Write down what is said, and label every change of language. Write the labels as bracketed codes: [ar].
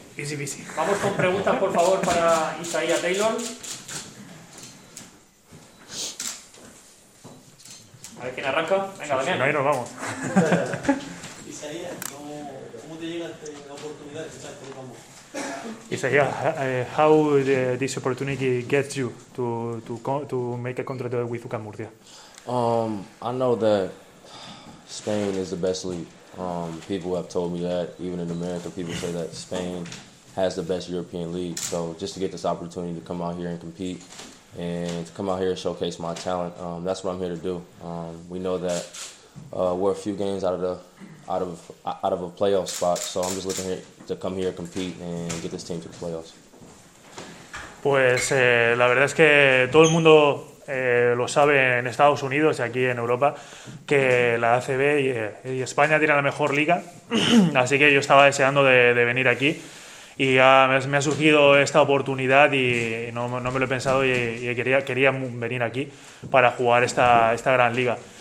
[en] easy, easy. [es] Vamos con preguntas, por favor, para Isaiah Taylor. A ver quién arranca. Venga, sí, Daniel. Ahí nos vamos. Isaiah, ¿cómo te llega la oportunidad de fichar por UCAM Murcia? [en] Isaiah, how this opportunity gets you to make a contract with UCAM Murcia? I know that Spain is the best league. People have told me that. Even in America, people say that Spain has the best European league. So just to get this opportunity to come out here and compete, and to come out here and showcase my talent, that's what I'm here to do. We know that we're a few games out of a playoff spot, so I'm just looking here to come here and compete and get this team to the playoffs. [es] Pues la verdad es que todo el mundo lo sabe en Estados Unidos y aquí en Europa, que la ACB y España tienen la mejor liga, así que yo estaba deseando de venir aquí, y me ha surgido esta oportunidad y no me lo he pensado, y quería venir aquí para jugar esta gran liga.